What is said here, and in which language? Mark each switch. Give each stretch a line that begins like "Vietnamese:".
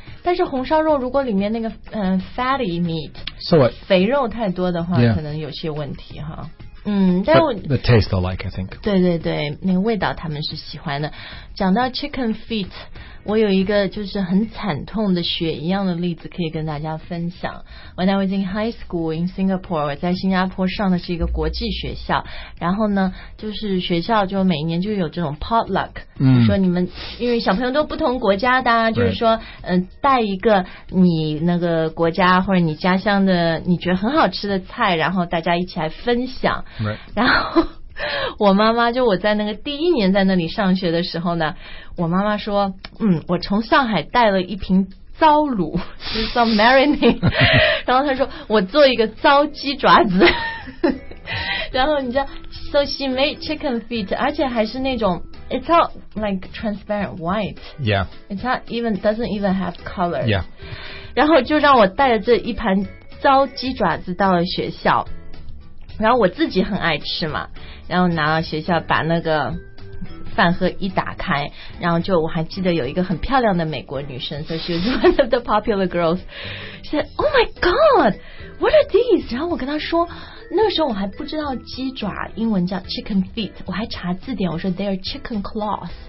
Chinese: 但是红烧肉如果里面那个、
English: fatty meat So what?
Chinese: 肥肉太多的话、
English: yeah.
Chinese: 可能有些问题哈但我
English: the taste they'll like, I think
Chinese: 对对对那个味道他们是喜欢的讲到 chicken feet我有一个就是很惨痛的血一样的例子可以跟大家分享
English: When I was in high school in Singapore
Chinese: 我在新加坡上的是一个国际学校然后呢就是学校就每年就有这种 potluck、 mm. 就是说你们因为小朋友都不同国家的、啊
English: right.
Chinese: 就是说、带一个你那个国家或者你家乡的你觉得很好吃的菜然后大家一起来分享、
English: right.
Chinese: 然后我妈妈就我在那个第一年在那里上学的时候呢我妈妈说我从上海带了一瓶糟卤 some marinade 然后她说我做一个糟鸡爪子然后你知道
English: so she made chicken feet
Chinese: 而且还是那种
English: it's not like transparent white yeah it's not even doesn't even have color yeah
Chinese: 然后就让我带着这一盘糟鸡爪子到了学校然后我自己很爱吃嘛然后拿到学校把那个饭盒一打开然后就我还记得有一个很漂亮的美国女生
English: so she was one of the popular girls she said oh my god what are these
Chinese: 然后我跟她说那时候我还不知道鸡爪英文叫 chicken feet 我还查字典我说
English: they are chicken claws